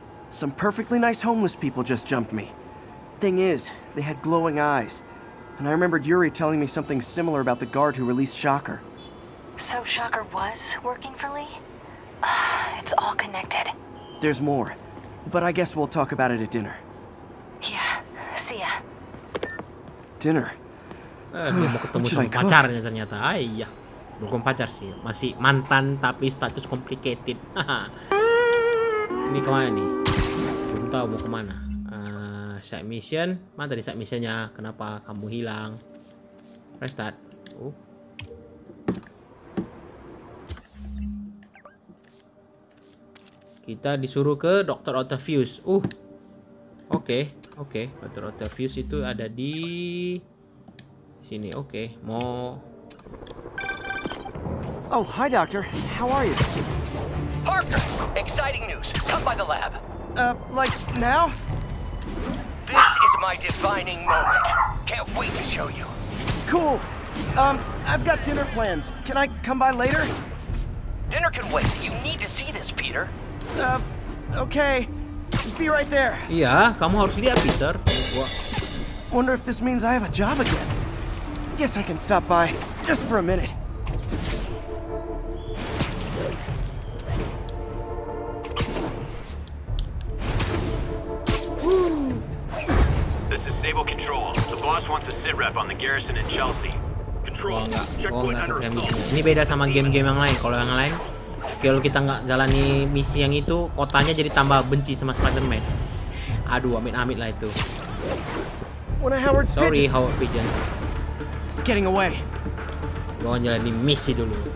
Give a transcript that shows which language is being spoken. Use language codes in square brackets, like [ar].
[en] Some perfectly nice homeless people just jumped me. Thing is, they had glowing eyes. And I remembered Yuri telling me something similar about the guard who released Shocker. So Shocker was working for Lee? It's all connected. There's more. But I guess we'll talk about it at dinner. Yeah, see ya. Dinner? [id] Dia mau ketemu sama pacarnya ternyata. Ayah, belum pacar sih, masih mantan tapi status complicated. Ini kemana nih? Belum tahu mau kemana. Side mission, mana tadi side missionnya? Kenapa kamu hilang? Restart. Kita disuruh ke Dr. Octavius. Oke. Dr. Octavius itu ada di sini. Oke. Mau. [en] Oh, hi doctor. How are you? Parker, exciting news. Come by the lab. Like now? This is my defining moment. Can't wait to show you. Cool. I've got dinner plans. Can I come by later? Dinner can wait. You need to see this, Peter. Okay. Be right there. [id] Iya, kamu harus lihat, Peter. [en] Wonder if this means I have a job again. Guess I can stop by just for a minute. This is Sable Control. The boss wants a sit rep on the garrison in Chelsea. [id] Ini beda sama game-game yang lain. Kalau yang lain, kalau kita nggak jalani misi yang itu, kotanya jadi tambah benci sama Spider-Man. Aduh, amit-amit lah itu. [en] Sorry, Howard Pigeon. Getting away. [id] Gua jalani misi dulu.